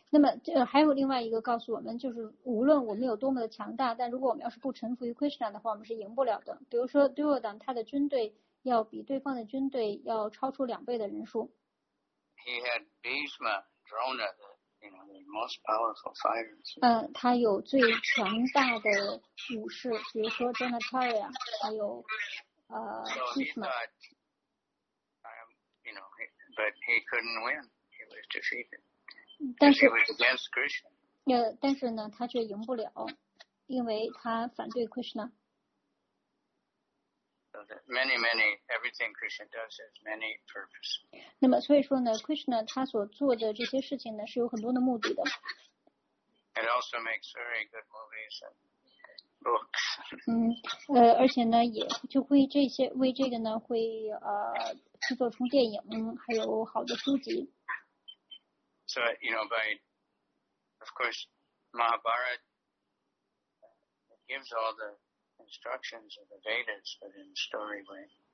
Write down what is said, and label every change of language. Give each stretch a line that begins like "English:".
Chinese: 那么还有另外一个告诉我们，就是无论我们有多么的强大，但如果我们要是不臣服于 Krishna 的话，我们是赢不了的。比如说 Duryodhan 他的军队。要比对方的军队要超出两倍的人数。
English: He had Bhishma, Drona, the most powerful fighters.
Chinese: 他有最强大的武士，比如说 Dronacharya, 还有Bhishma.
English: So he thought, but he couldn't win. He was defeated.
Chinese: 但是
English: he was against Krishna.
Chinese: 但是呢，他却赢不了，因为他反对 Krishna.
English: Many, many, everything Krishna does has many purposes.
Chinese: 那么所以说呢 ，Krishna 他所做的这些事情呢，是有很多的目的的。
English: It also makes very good movies and books.
Chinese: 而且呢，也就会这些为这个呢，会制作出电影，还有好的书籍。
English: So you know, by of course, Mahabharata gives all the instructions of the Vedas, but in story way.